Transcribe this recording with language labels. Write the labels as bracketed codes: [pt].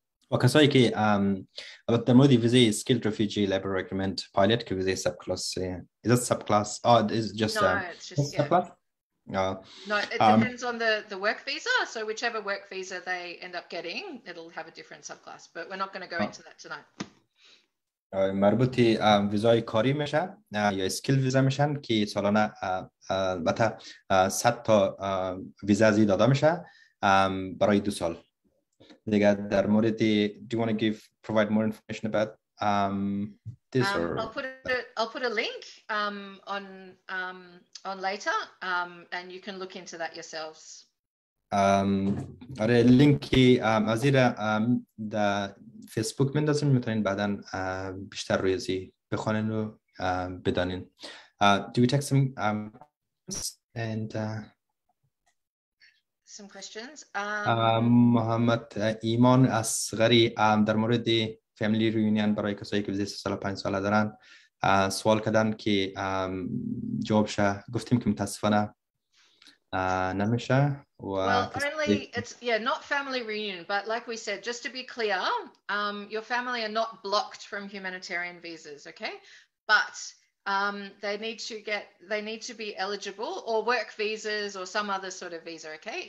[fa] و کسایی که البته در مورد ویزای Skilled Refugee Labor Agreement Pilot که ویزای [en] subclass is it subclass oh it's just no it's just subclass yeah. No it depends on the work visa, so whichever work visa they end up getting it'll have a different subclass, but we're not going to go into that tonight. [fa] مربوطی ویزای کاری میشه یا اسکیل ویزا میشن که سالانه البته 100 تا ویزا زی داده میشه برای 2 سال دیگه. در مورد [en] do you want to provide more information about This or I'll put a link on later, and you can look into that yourselves. [fa] آره لینکی از زیر در فیسبوک مندازیم، میتونین بعدا بیشتر روی زی بخونین و بدانین. [en] Do we take some questions? [fa] محمد ایمان اصغری در مورد فامیلی ریونیون برای کسایی که 13 سال 5 ساله دارن سوال کردن که جواب شه. گفتیم که متاسفانه [en] Well, only it's not family reunion, but like we said, just to be clear, your family are not blocked from humanitarian visas, okay? But they need to be eligible, or work visas or some other sort of visa, okay?